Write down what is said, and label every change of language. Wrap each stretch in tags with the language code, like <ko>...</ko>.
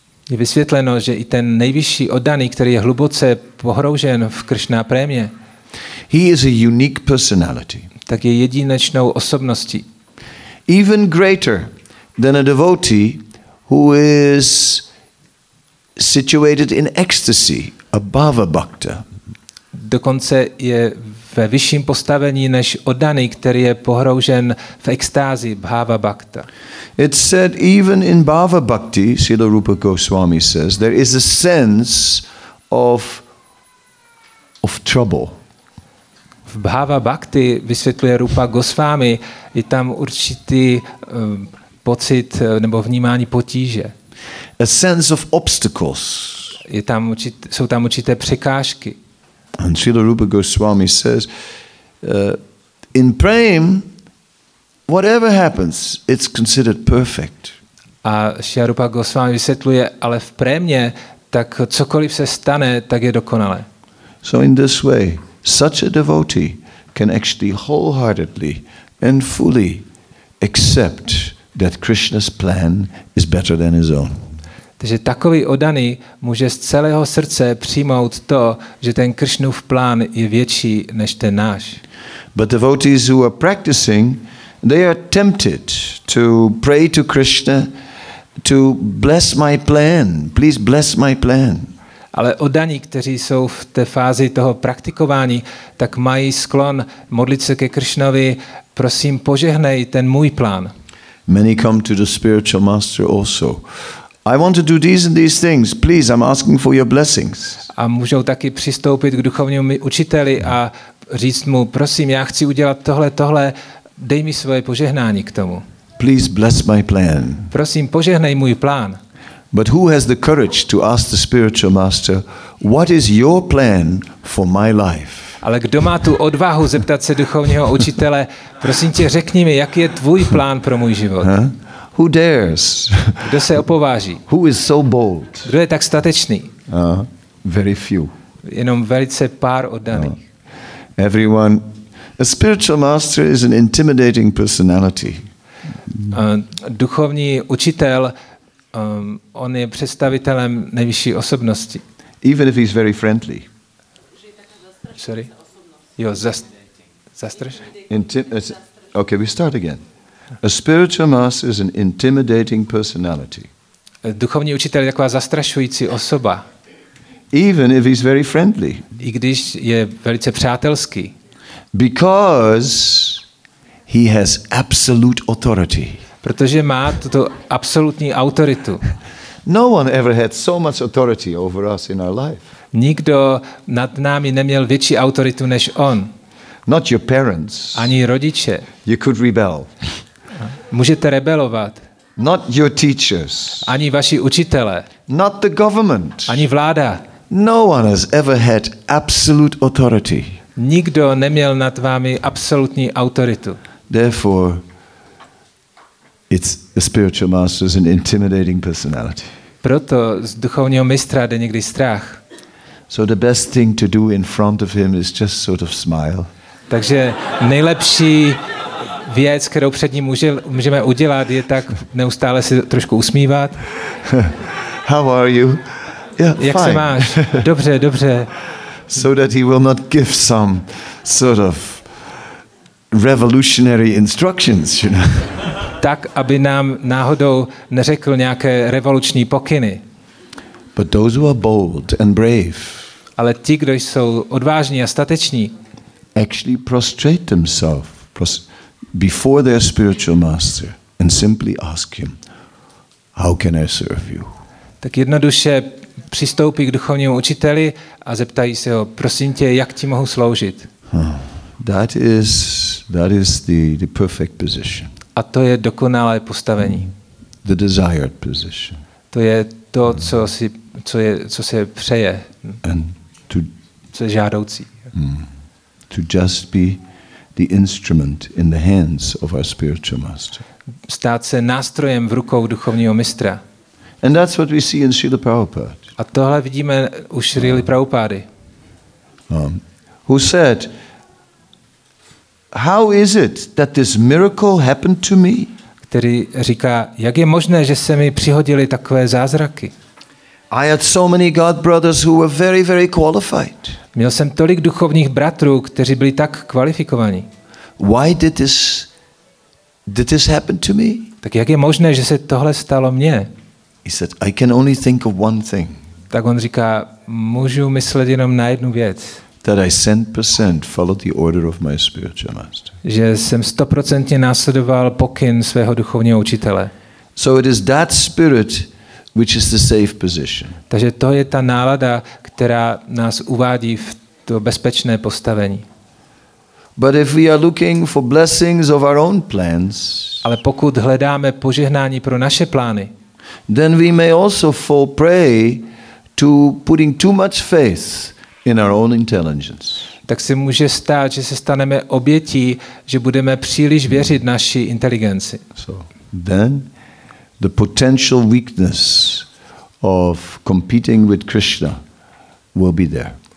<cs>Je vysvětleno, že i ten nejvyšší oddaný, který je hluboce pohroužen v Krishna prema.</cs> <en>He is a unique personality.</en> <cs>Tak je jedinečnou osobností.</cs> <en>Even greater than a devotee who is situated in ecstasy above a bhakta.</en> <cs>Dokonce je ve vyšším postavení než oddaný, který je pohroužen v extázi bhava bhakta.</cs> <en>It said even in bhava bhakti, Srila Rupa Goswami says, there is a sense of trouble.</en> <cs>V bhava bhakti, vysvětluje Rupa Goswami, je tam určitý pocit nebo vnímání potíže.</cs> <en>A sense of obstacles.</en> <cs>Jsou tam určité překážky.</cs> <en>And Srila Rupa Goswami says, in prema, whatever happens, it's considered perfect.</en> <cs>A Srila Rupa Goswami vysvětluje, ale v prémě, tak cokoliv se stane, tak je dokonalé.</cs> <en>So in this way, such a devotee can actually wholeheartedly and fully accept that Krishna's plan is better than his own.</en> <cs>Takže takový oddaný může z celého srdce přijmout to, že ten Krishnův plán je větší než ten náš.</cs> <en>But devotees who are practicing, they are tempted to pray to Krishna to bless my plan. Please bless my plan.</en> <cs>Ale oddaní, kteří jsou v té fázi toho praktikování, tak mají sklon modlit se ke Krishnovi, prosím, požehnej ten můj plán.</cs> <en>Many come to the spiritual master also. I want to do these and these things. Please, I'm asking for your blessings.</en> <cs>A můžou taky přistoupit k duchovnímu učiteli a říct mu, prosím, já chci udělat tohle, dej mi svoje požehnání k tomu.</cs> <en>Please bless my plan.</en> <cs>Prosím, požehnej můj plán.</cs> <en>But who has the courage to ask the spiritual master, what is your plan for my life?</en> <cs>Ale kdo má tu odvahu zeptat se duchovního učitele, prosím tě, řekni mi, jaký je tvůj plán pro můj život?</cs> <en>Huh? Who dares?</en> <cs>Kdo se opováží?</cs> <en>Who is so bold?</en> <cs>Kdo je tak statečný?</cs> <en>Very few.</en> <cs>Jenom velice pár oddaných.</cs> <en>Everyone, a spiritual master is an intimidating personality.</en> <cs>Duchovní učitel, on je představitelem nejvyšší osobnosti.</cs> <en>Even if he's very friendly. Sorry.</en> <cs>Jo, zastrašující.</cs> <en>Okay, we start again. A spiritual master is an intimidating personality.</en> <cs>Duchovní učitel je taková zastrašující osoba.</cs> <en>Even if he's very friendly.</en> <cs>I když je velice přátelský.</cs> <en>Because he has absolute authority.</en> <cs>Protože má tuto absolutní autoritu.</cs> <en>No one ever had so much authority over us in our life.</en> <cs>Nikdo nad námi neměl větší autoritu než on.</cs> <en>Not your parents.</en> <cs>Ani rodiče.</cs> <en>You could rebel.</en> <cs>Můžete rebelovat.</cs> <en>Not your teachers.</en> <cs>Ani vaši učitelé.</cs> <en>Not the government.</en> <cs>Ani vláda.</cs> <en>No one has ever had absolute authority.</en> <cs>Nikdo neměl nad vámi absolutní autoritu.</cs> <en>Therefore, it's a spiritual master is an intimidating personality.</en> <cs>Proto z duchovního mistra jde někdy strach.</cs> <en>So the best thing to do in front of him is just sort of smile.</en> <cs>Takže nejlepší věc, kterou před ním můžeme udělat, je tak neustále se trošku usmívat.</cs> <en>How are you? Yeah,</en> <cs>jak</cs> <en>fine.</en> <cs>Se máš? Dobře, dobře.</cs> <en>So that he will not give some sort of revolutionary instructions, you know.</en> <cs>Tak, aby nám náhodou neřekl nějaké revoluční pokyny.</cs> <en>But those who are bold and brave,</en> <cs>ale ti, kdo jsou odvážní a stateční,</cs> <en>actually prostrate themselves before their spiritual master and simply ask him, how can I serve you?</en> <cs>Tak jednoduše přistoupí k duchovnímu učiteli a zeptají se ho, prosím tě, jak ti mohu sloužit?</cs> <en>That is the perfect position.</en> <cs>A to je dokonalé postavení.</cs> <en>The desired position.</en> <cs>To je to, co se přeje. And to, co je žádoucí.</cs> <en>To just be the instrument in the hands of our spiritual master.</en> <cs>Stát se nástrojem v rukou duchovního mistra.</cs> <en>And that's what we see in Srila Prabhupada.</en> <cs>A tohle vidíme u Srily Prabhupády.</cs> <en>Who said, how is it that this miracle happened to me?</en> <cs>Který říká, jak je možné, že se mi přihodily takové zázraky?</cs> <en>I had so many god brothers who were very, very qualified.</en> <cs>Měl jsem tolik duchovních bratrů, kteří byli tak kvalifikovaní.</cs> <en>Why did this happen to me?</en> <cs>Tak jak je možné, že se tohle stalo mně?</cs> <en>He said, I can only think of one thing.</en> <cs>Tak on říká, můžu myslet jenom na jednu věc.</cs> <en>That I 100% followed the order of my spiritual master.</en> <cs>Že jsem 100% následoval pokyn svého duchovního učitele.</cs> <en>So it is that spirit which is the safe position.</en> <cs>Takže to je ta nálada, která nás uvádí v to bezpečné postavení.</cs> <en>But if we are looking for blessings of our own plans,</en> <cs>ale pokud hledáme požehnání pro naše plány,</cs> <en>then we may also fall prey to putting too much faith in our own intelligence.</en> <cs>Tak se může stát, že se staneme obětí, že budeme příliš věřit naší inteligenci.</cs> <en>So then the potential weakness of competing with Krishna will be there.</en>